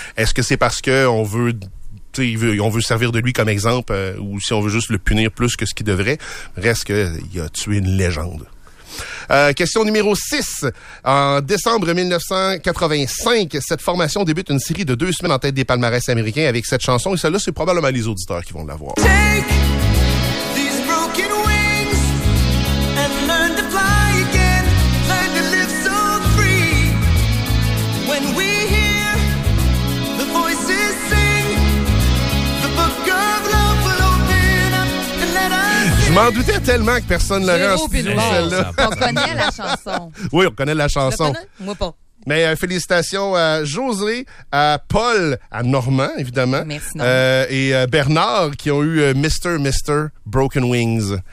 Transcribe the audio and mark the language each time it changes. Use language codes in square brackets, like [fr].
[fr] Est-ce que c'est parce qu'on veut... on veut servir de lui comme exemple, ou si on veut juste le punir plus que ce qu'il devrait, reste qu'il a tué une légende. Question numéro 6. En décembre 1985, cette formation débute une série de 2 semaines en tête des palmarès américains avec cette chanson, et celle-là, c'est probablement les auditeurs qui vont l'avoir. [en] Take these broken wings and learn to fly again. Learn to live so free. When we hear the voices sing, the birds. [fr] m'en doutais tellement que personne ne l'aurait en studio, celle-là. On connaît la chanson. Oui, on connaît la chanson. Moi pas. Mais félicitations à José, à Paul, à Normand, évidemment. Merci, Normand. Et Bernard, qui ont eu Mr. Broken Wings.